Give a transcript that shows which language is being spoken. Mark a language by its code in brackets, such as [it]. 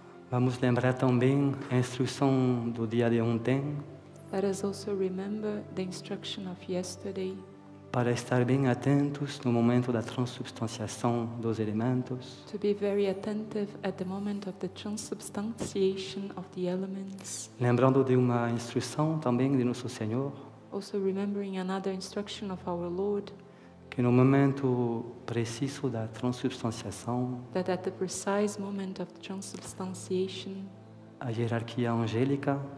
[pt] Vamos lembrar também a instrução do dia de ontem. [en] Let us also remember the instruction of yesterday. [pt] Para estar bem atentos no momento da transubstanciação dos elementos. [en] To be very attentive at the moment of the transubstantiation of the elements. [pt] Lembrando de uma instrução também de nosso Senhor. [en] Also remembering another instruction of our Lord. [pt] Que no momento preciso da transubstanciação, [en] that at the precise moment of transubstantiation, [pt] a hierarquia angélica,